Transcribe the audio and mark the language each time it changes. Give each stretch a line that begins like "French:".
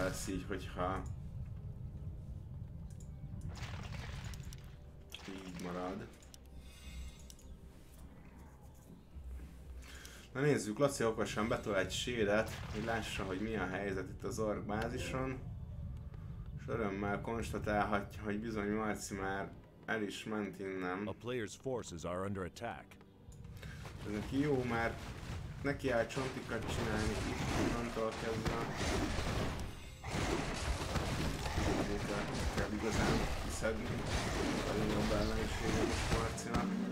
Hungarian: Így, hogyha így marad. Na nézzük, Laci okosan betol egy shieldet, hogy lássa, hogy mi a helyzet itt az ork bázison. És örömmel konstatálhatja, hogy bizony Marci már el is ment innen.
English: A player's forces are under attack.
Hungarian: Ez neki jó, mert neki áll csontikat csinálni itt, onnantól kezdve. Kell igazán kiszedni a legjobb ellenséget a Marcinak.